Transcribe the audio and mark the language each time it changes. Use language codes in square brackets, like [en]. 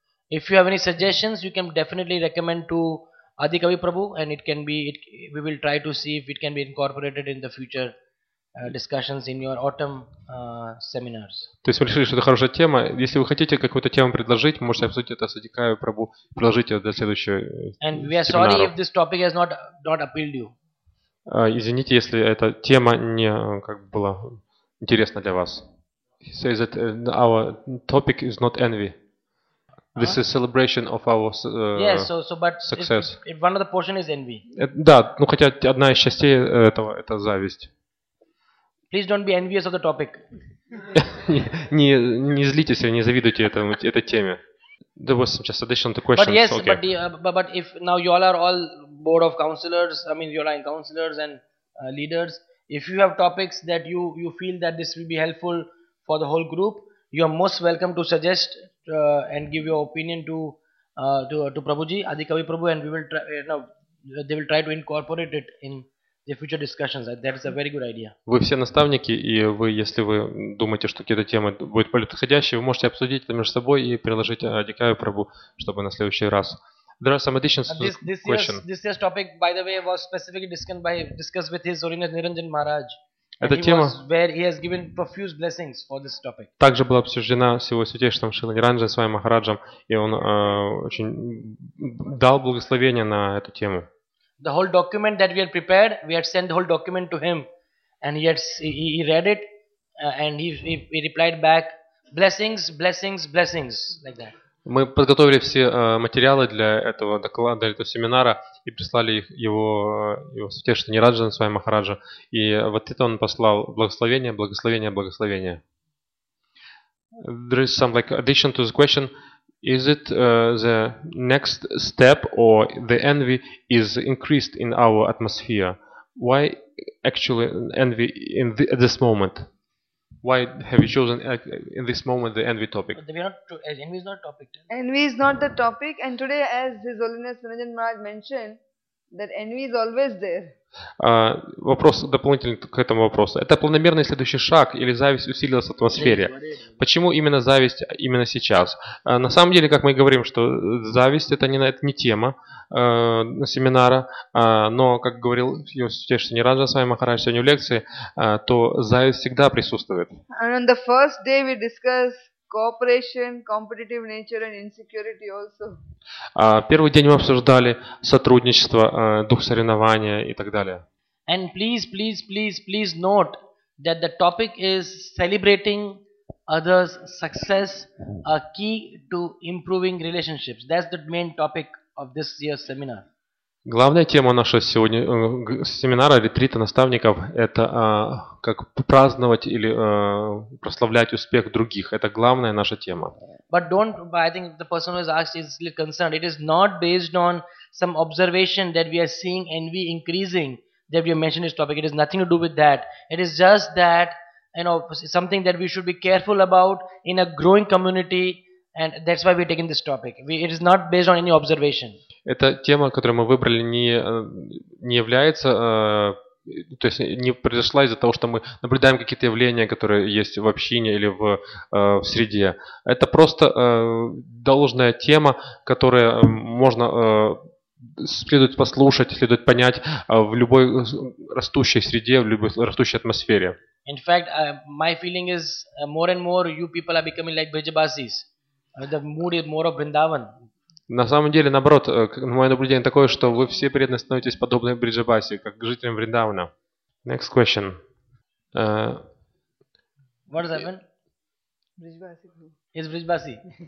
[en] If you have any suggestions, you can definitely recommend to Adikavi Prabhu, and we will try to see if it can be incorporated in the future discussions in your autumn seminars. [ru] То есть вы решили, что это хорошая тема. Если вы хотите какую-то тему предложить, можете обсудить это с Адикавой Прабу, предложить это для следующего семинара. [en] And we are sorry if this topic has not appealed you. [ru] Извините, если эта тема не как бы была интересна для вас. [en] He says that our topic is not envy. This is celebration of our success. If one of the portion is envy. [ru] Да, ну хотя одна из частей этого — это зависть. [en] Please don't be envious of the topic. [ru] Не злитесь, не завидуйте этой теме. [en] There was just additional to question. But yes, okay. but if now you all are all board of counselors, I mean you all are in counselors and leaders. If you have topics that you feel that this will be helpful for the whole group, you are most welcome to suggest and give your opinion to Prabhuji, Adhikavi Prabhu, and we will try, you know, they will try to incorporate it in the future discussions. That is a very good idea. [ru] Вы все наставники, и вы, если вы думаете, что какие-то темы будут подходящие, вы можете обсудить это между собой и приложить Адикаю Прабу, чтобы на следующий раз. [en] There are some additions to this question. This year's topic, by the way, was specifically discussed with His Holiness Niranjan Maharaj. [ru] Эта тема, [en] where he has given profuse blessings for this topic. [ru] Также была обсуждена с его святейшим Шрилой Ниранджан с вами Махараджем, и он очень дал благословение на эту тему. [en] The whole document that we had prepared, we had sent the whole document to him, and he read it, and he replied back, blessings, blessings, blessings, like that. [ru] Мы подготовили все материалы для этого доклада, для этого семинара и прислали их его святейшему Нираджану с вами Махараджу. И вот это он послал благословение, благословение, благословение. [en] There is some like addition to the question. Is it the next step or the envy is increased in our atmosphere? Why actually envy in at this moment? Why have you chosen in this moment the envy topic? Envy is not a topic. Envy is not the topic, and today, as His Holiness Niranjan Maharaj mentioned, that envy is always there. [ru] Вопрос дополнительный к этому вопросу. Это планомерный следующий шаг или зависть усилилась в атмосфере? Почему именно зависть именно сейчас? На самом деле, как мы говорим, что зависть это не тема семинара, но, как говорил Святейший Ниранджан Свами Махарадж сегодня в лекции, то зависть всегда присутствует. [en] And on the first day we discuss cooperation, competitive nature and insecurity also. [ru] Первый день мы обсуждали сотрудничество, дух соревнования и так далее. [en] And please, please, please, please note that the topic is celebrating others' success, a key to improving relationships. That's the main topic of this year's seminar. [ru] Главная тема нашего сегодня семинара, ретрита наставников, это как праздновать или прославлять успех других. Это главная наша тема. [en] But don't, I think the person who is asked is a little concerned. It is not based on some observation that we are seeing envy increasing that we have mentioned this topic. It has nothing to do with that. It is just that, you know, something that we should be careful about in a growing community, and that's why we're taking this topic. It is not based on any observation. [ru] Эта тема, которую мы выбрали, не является, то есть не произошла из-за того, что мы наблюдаем какие-то явления, которые есть в общине или в среде. Это просто должная тема, которую можно следует послушать, следует понять в любой растущей среде, в любой растущей атмосфере. [en] In fact, my feeling is more and more you people are becoming like Brijabasis. The mood is more of Vrindavan. [ru] На самом деле, наоборот, мое наблюдение такое, что вы все преданно становитесь подобны Бриджабаси, как жителям Вриндавана. [en] Next question. What does that mean? [ru] Бриджабаси. [en] It's Бриджабаси.